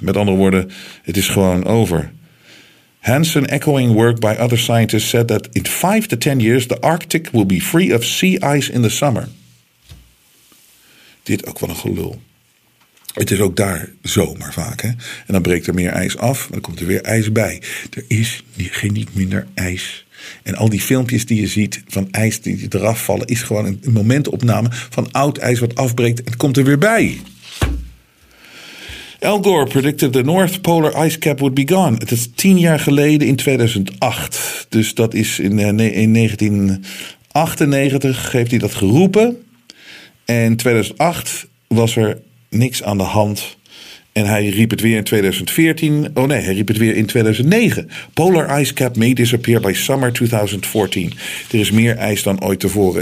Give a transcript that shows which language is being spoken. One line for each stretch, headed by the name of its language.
Dutch: Met andere woorden, het is gewoon over.
English: Hansen, echoing work by other scientists, said that in 5 to 10 years, the Arctic will be free of sea ice in the summer.
Dutch: Dit ook wel een gelul. Het is ook daar zomer vaak. Hè? En dan breekt er meer ijs af, maar dan komt er weer ijs bij. Er is niet minder ijs. En al die filmpjes die je ziet van ijs die eraf vallen, is gewoon een momentopname van oud ijs wat afbreekt en komt er weer bij.
English: Al Gore predicted the North Polar ice cap would be gone.
Dutch: Het is 10 jaar geleden in 2008. Dus dat is in 1998 heeft hij dat geroepen. En 2008 was er niks aan de hand. En hij riep het weer in 2014. Oh nee, hij riep het weer in 2009.
English: Polar ice cap may disappear by summer 2014.
Dutch: Er is meer ijs dan ooit tevoren.